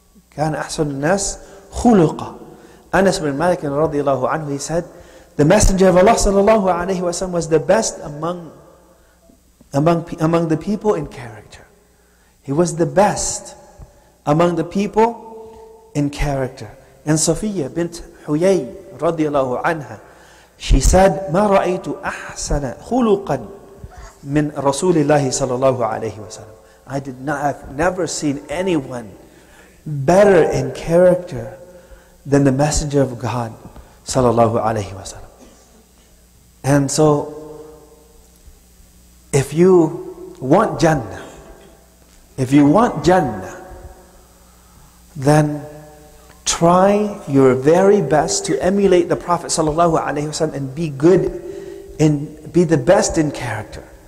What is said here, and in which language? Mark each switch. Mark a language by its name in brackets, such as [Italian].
[Arabic] كان أحسن الناس خلقا. [English] Anas bin Malik رضي الله عنه, he said, the Messenger of Allah صلى الله عليه وسلم was the best among the people in character. He was the best among the people in character. [Arabic] And Safiya bint Huyay رضي الله عنها, [English] she said, [Arabic] ما رأيت أحسن خلقا من رسول الله صلى الله عليه وسلم. [English] I did not have never seen anyone better in character than the Messenger of God صلى الله عليه وسلم. And so if you want Jannah, if you want Jannah, then try your very best to emulate the Prophet sallallahu alaihi wasallam and be good, and be the best in character.